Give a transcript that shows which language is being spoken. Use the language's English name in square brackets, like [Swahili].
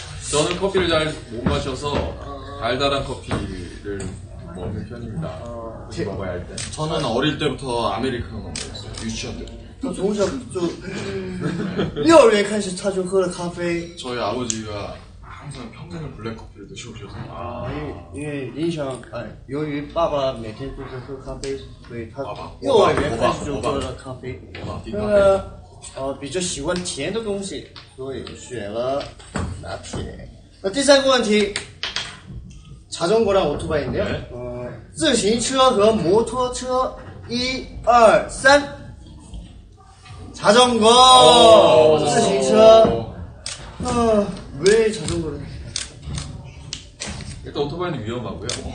[Korean] 저는 커피를 잘 못 마셔서 달달한 커피를 먹는 편입니다. 먹어야 할 때. 저는 어릴 때부터 아메리카노 먹었어요. 유치원 때. [Chinese] 从小就幼儿园开始他就喝了咖啡. [Korean] 저희 아버지가 항상 평생을 블랙커피를 드셔오셔서. [Chinese] 아, 因为幼儿园爸爸每天都在喝咖啡，所以他幼儿园开始就喝了咖啡。那么，比较喜欢甜的东西，所以选了拿铁。那第三个问题。 [Korean] 자전거랑 오토바이인데요. [Chinese] 네. 自行车和摩托车.1, 2, 3. [Korean] 자전거. 自行车.왜 자전거를? 일단 오토바이는 위험하고요.